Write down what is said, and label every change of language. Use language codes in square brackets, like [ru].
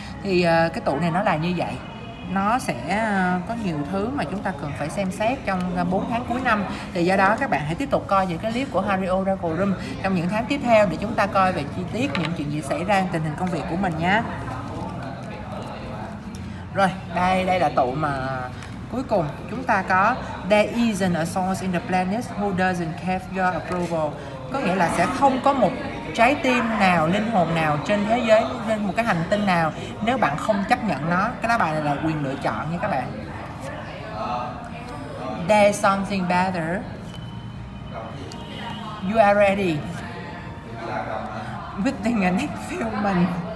[vi] Thì cái tụ này nó là như vậy. Nó sẽ có nhiều thứ mà chúng ta cần phải xem xét trong 4 tháng cuối năm. Thì do đó các bạn hãy tiếp tục coi những cái clip của Harry Oracle Room trong những tháng tiếp theo để chúng ta coi về chi tiết những chuyện gì xảy ra, tình hình công việc của mình nha. Rồi, đây là tụ mà cuối cùng chúng ta có. [en] There isn't a source in the planet who doesn't have your approval. [vi] Có nghĩa là sẽ không có một trái tim nào, linh hồn nào trên thế giới, trên một cái hành tinh nào nếu bạn không chấp nhận nó. Cái lá bài này là quyền lựa chọn nha các bạn. [en] There's something better. You are ready. Within a next few months.